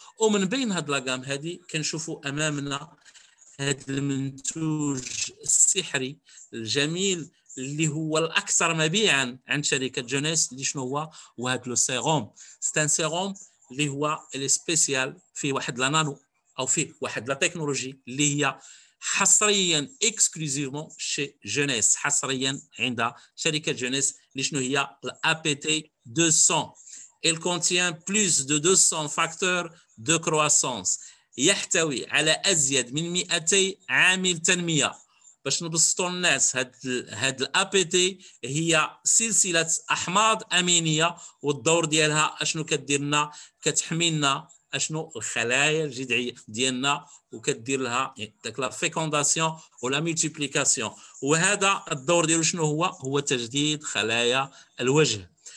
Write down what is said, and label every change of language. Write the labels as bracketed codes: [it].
[ar] ومن بين هاد لاغام هادي كنشوفوا امامنا هذا المنتوج السحري الجميل اللي هو الاكثر مبيعا عند شركه جونيس، اللي شنو هو، وهذا لو سيروم، ستان سيروم اللي هو السبيسيال، فيه واحد لانانو او فيه واحد لا تكنولوجي اللي هي حصريا اكسكلوزيفمون شي جونيس، حصريا عند شركه جونيس، اللي شنو هي الاي بي تي 200. [fr] il contient plus de 200 facteurs de croissance، [ar] يحتوي على ازيد من 200 عامل تنميه. باش نبسطوا الناس، هاد الاي بي تي هي سلسله احماض امينيه، والدور ديالها اشنو كدير لنا، كتحمي لنا اشنو الخلايا الجذعيه ديالنا، وكدير لها داك لا فيكونداسيون ولا ميتيبليكاسيون، وهذا الدور ديالو شنو هو، هو تجديد خلايا الوجه.